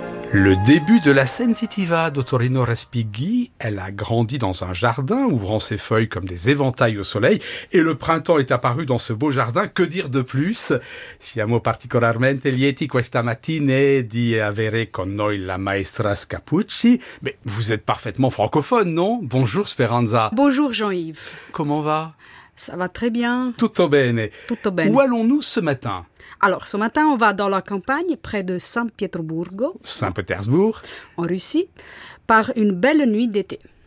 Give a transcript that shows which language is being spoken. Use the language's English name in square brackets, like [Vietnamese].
[French] Le début de la Sensitiva d'Ottorino Respighi, elle a grandi dans un jardin, ouvrant ses feuilles comme des éventails au soleil, et le printemps est apparu dans ce beau jardin, que dire de plus? [Italian] Siamo particolarmente lieti questa mattina di avere con noi la maestra Scapucci. [French] Mais vous êtes parfaitement francophone, non? Bonjour Speranza. Bonjour Jean-Yves. Comment va? Ça va très bien. [Italian] Tutto bene. Tutto bene. [French] Où allons-nous ce matin? Alors, ce matin, on va dans la campagne, près de Saint-Pétersbourg. Saint-Pétersbourg. En Russie, par une belle nuit d'été.